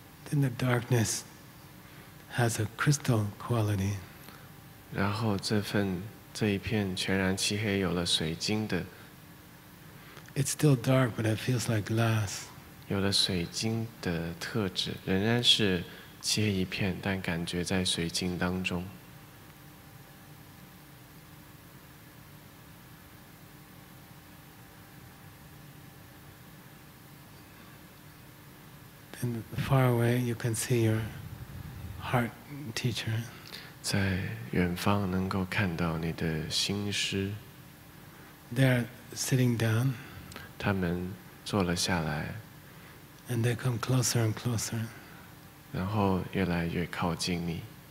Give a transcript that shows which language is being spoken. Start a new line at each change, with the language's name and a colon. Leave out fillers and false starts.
English: And the darkness has a crystal quality.
Chinese: 然后这一片全然漆黑有了水晶的。
English: It's still dark, but it feels like glass.
Chinese: 有了水晶的特质，仍然是漆黑一片，但感觉在水晶当中。
English: And far away, you can see your heart teacher.
Chinese: 在远方能够看到你的心师。
English: They're sitting down.
Chinese: 他们坐了下来。
English: And they come closer and closer.
Chinese: 然后越来越靠近你。